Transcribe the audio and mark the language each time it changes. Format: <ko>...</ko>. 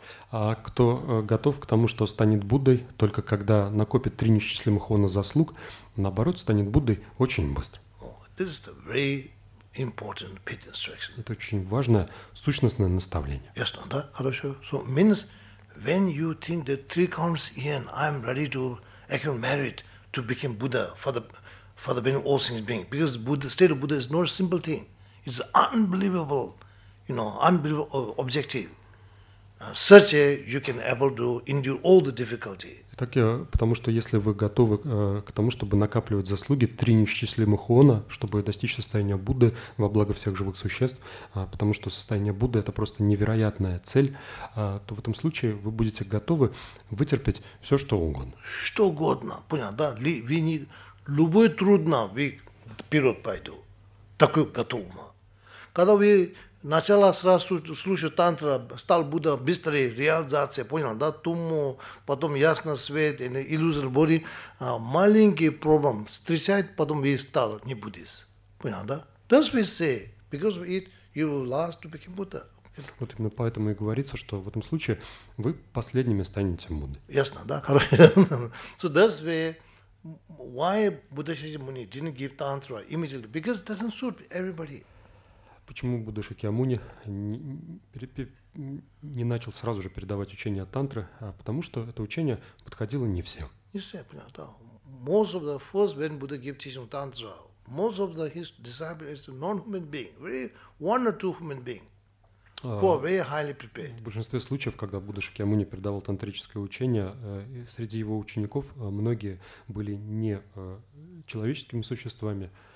<ru>А кто готов к тому, что станет Буддой, только когда накопит 3 несчислимых оны заслуг, наоборот, станет Буддой очень быстро.</ru> <en>This is the very important pit instruction.</en> <ru>Это очень важное сущностное наставление. Ясно, да? Хорошо.</ru> <en>So means when you think that 3 countless years I'm ready to accumulate merit to become Buddha for the being all things being. Because Buddha, state of Buddha is not a simple thing. It's unbelievable. Unbelievable objective. Such a you can able to endure all the difficulty.</en> <ru>Итак, потому что если вы готовы к тому, чтобы накапливать заслуги 3 несчислимых оны, чтобы достичь состояния Будды во благо всех живых существ, потому что состояние Будды это просто невероятная цель, то в этом случае вы будете готовы вытерпеть все, что угодно. Что угодно, понятно, да? Любое трудно, вы вперед пойду. Такое готово. Когда вы начало сразу слушал тантра, стал Будда быстрее, реализация, понял, да, туму, потом ясный свет, иллюзор боли, маленький проблем встречает, потом вы стал не буддист, понял, да?</ru> <en>That's what we say, because we eat, you will last to become Buddha.</en> <ru>Вот именно поэтому и говорится, что в этом случае вы последними станете Буддой. Ясно, да, хорошо.</ru> <en>So that's why Buddha Shakyamuni didn't give tantra immediately, because it doesn't suit everybody.</en> <ru>Почему Будда Шакьямуни не начал сразу же передавать учение тантры? Потому что это учение подходило не всем. Не все, понятно.</ru> <en>most of the first when Buddha gave teaching of Tantra, most of the his disciples is non-human being, very one or two human being.</en> <ru>В большинстве случаев, когда Будда Шакьямуни передавал тантрическое учение, среди его учеников многие были не человеческими существами.</ru>